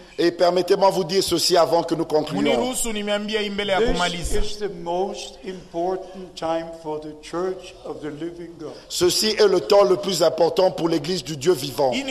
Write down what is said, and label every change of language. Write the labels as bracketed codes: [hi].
[fr] Et permettez-moi vous dire ceci avant que nous concluions. [en] This is the most important time for the Church of the Living God. [fr] Ceci est le temps le plus important pour l'Église du Dieu vivant.